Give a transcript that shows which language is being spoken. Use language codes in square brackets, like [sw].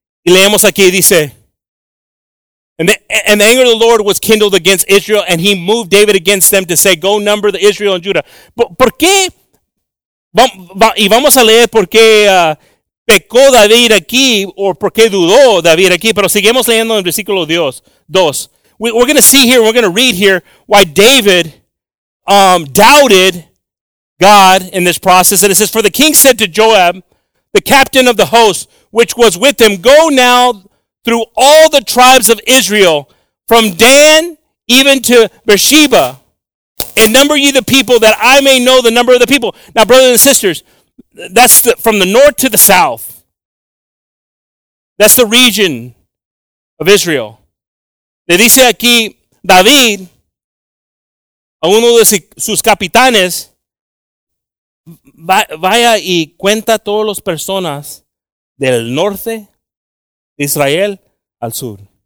[es] Y leemos aquí, dice, [en] And the anger of the Lord was kindled against Israel, and he moved David against them to say, go number the Israel and Judah. [es] ¿Por qué? Y vamos a leer por qué pecó David aquí, o por qué dudó David aquí, pero seguimos leyendo en versículo 2. [en] We're going to see here, we're going to read here, why David doubted God in this process. And it says, for the king said to Joab, the captain of the host, which was with him, go now through all the tribes of Israel, from Dan even to Beersheba, and number ye the people, that I may know the number of the people. Now, brothers and sisters, that's from the north to the south. That's the region of Israel. [es] Le dice aquí David a uno de sus capitanes, vaya y cuenta todas las personas del norte de Israel al sur.